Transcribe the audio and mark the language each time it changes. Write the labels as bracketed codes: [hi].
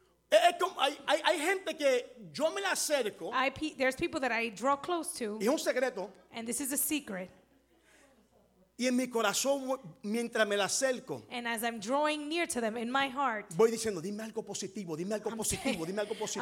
[es] Es como hay gente que yo me la acerco. [en] There's people that I draw close to. [es] Y es un secreto. [en] And this is a secret. [es] Y en mi corazón mientras me la acerco. [en] And as I'm drawing near to them in my heart. [es] Voy diciendo, dime algo positivo, dime algo positivo, dime algo positivo.